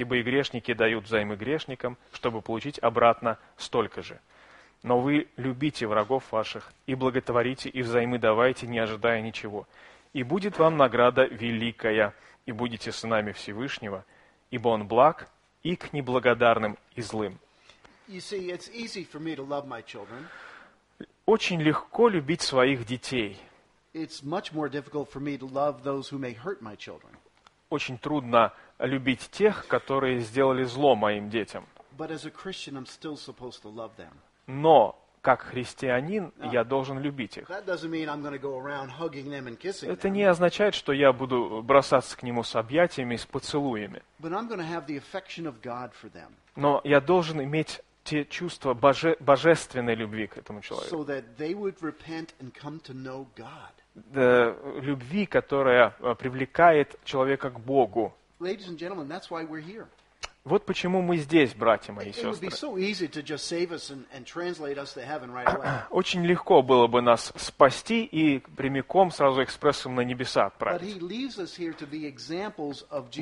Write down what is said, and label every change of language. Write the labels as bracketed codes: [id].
[ru] Ибо и грешники дают взаймы грешникам, чтобы получить обратно столько же. Но вы любите врагов ваших и благотворите, и взаймы давайте, не ожидая ничего. И будет вам награда великая, и будете сынами Всевышнего, ибо Он благ и к неблагодарным и злым. [en] You see, it's easy for me to love my children. [ru] Очень легко любить своих детей. [en] It's much more difficult for me to love those who may hurt my children. [ru] Очень трудно любить тех, которые сделали зло моим детям. [en] But as a Christian, I'm still supposed to love them. [ru] Но как христианин, [en] Now, [ru] я должен любить их. [en] That doesn't mean I'm going to go around hugging them and kissing them. [ru] Это не означает, что я буду бросаться к нему с объятиями, с поцелуями. [en] But I'm going to have the affection of God for them. [ru] Но я должен иметь те чувства божественной любви к этому человеку. [en] So that they would repent and come to know God. [ru] Любви, которая привлекает человека к Богу. [en] Ladies and gentlemen, that's why we're here. [ru] Вот почему мы здесь, братья мои и сестры. Очень легко было бы нас спасти и прямиком сразу экспрессом на небеса отправить.